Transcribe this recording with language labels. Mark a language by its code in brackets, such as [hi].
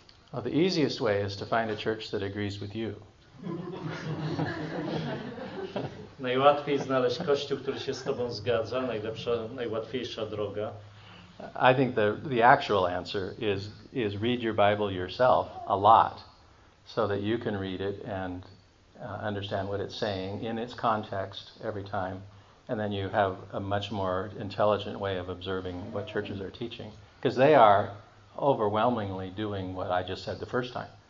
[en] well, the easiest way is to find a church that agrees with you. [pl] Najłatwiej znaleźć kościół, który się z tobą zgadza, najlepsza, najłatwiejsza droga. [en] I think the actual answer is read your Bible yourself a lot, so that you can read it and understand what it's saying in its context every time, and then you have a much more intelligent way of observing what churches are teaching, because they are overwhelmingly doing what I just said the first time.